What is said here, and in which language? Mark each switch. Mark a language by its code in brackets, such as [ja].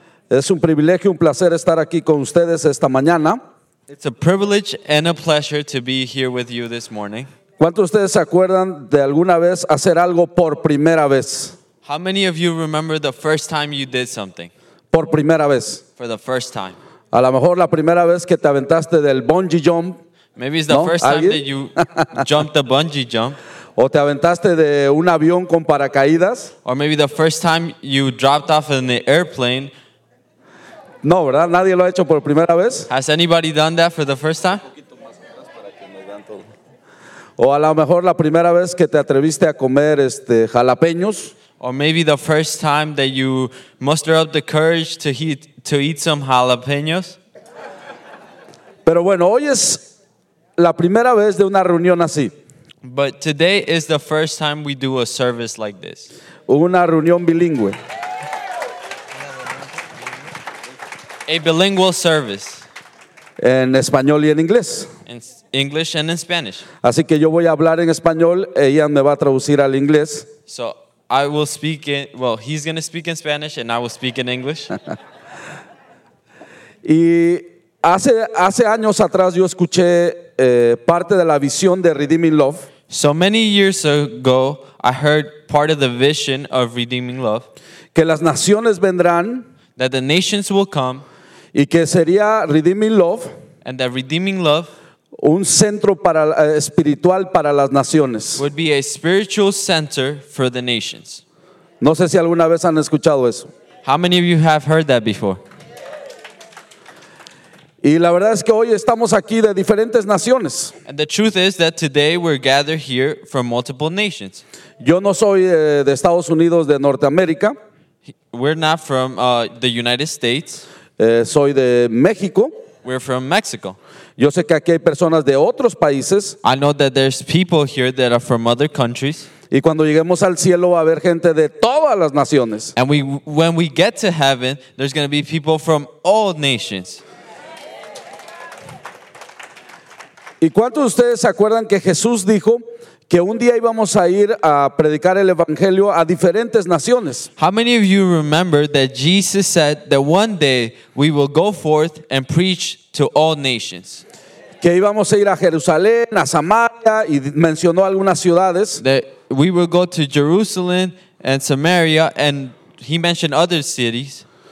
[es] Es un privilegio, un placer estar aquí con ustedes esta mañana. [en] It's a privilege and a pleasure to be here with you this morning. [es] ¿Cuántos de ustedes se acuerdan de alguna vez hacer algo por primera vez? [en] How many of you remember the first time you did something? [es] Por primera vez. [en] For the first time. [es] A lo mejor la primera vez que te aventaste del bungee jump. [en] Maybe it's the first time that you jumped the bungee jump. [es] O te aventaste de un avión con paracaídas. [en] Or maybe the first time you dropped off in the airplane. [es] No, ¿verdad? Nadie lo ha hecho por primera vez. [en] Has anybody done that for the first time? [es] O a lo mejor la primera vez que te atreviste a comer jalapeños. [en] Or maybe the first time that you muster up the courage to eat some jalapeños. [es] Pero bueno, hoy es la primera vez de una reunión así. [en] But today is the first time we do a service like this. [es] Una reunión bilingüe. [en] A bilingual service. [es] En español y en inglés. [en] In English and in Spanish. [es] Así que yo voy a hablar en español, ella me va a traducir al inglés. [en] So I will speak in, well, he's going to speak in Spanish and I will speak in English. [es] Y hace años atrás yo escuché parte de la visión de Redeeming Love. [en] So many years ago, I heard part of the vision of Redeeming Love. [es] Que las naciones vendrán. [en] That the nations will come. [es] Y que sería Redeeming Love. [en] And that Redeeming Love. [es] Un centro para, espiritual para las naciones. [en] Would be a spiritual center for the nations. [es] No sé si alguna vez han escuchado eso. [en] How many of you have heard that before? [es] Y la verdad es que hoy estamos aquí de diferentes naciones. [en] And the truth is that today we're gathered here from multiple nations. [es] Yo no soy de Estados Unidos, de Norteamérica. [en] We're not from the United States. [es] Soy de México. [en] We're from Mexico. [es] Yo sé que aquí hay personas de otros países. [en] I know that there's people here that are from other countries. [es] Y cuando lleguemos al cielo va a haber gente de todas las naciones. [en] And when we get to heaven, there's going to be people from all nations. [es] ¿Y cuántos de ustedes se acuerdan que Jesús dijo que un día íbamos a ir a predicar el evangelio a diferentes naciones? [en] How many of you remember that Jesus said that one day we will go forth and preach to all nations? [es] Que íbamos a ir a Jerusalén, a Samaria y mencionó algunas ciudades. [en] That we will go to Jerusalem and Samaria and he mentioned other cities.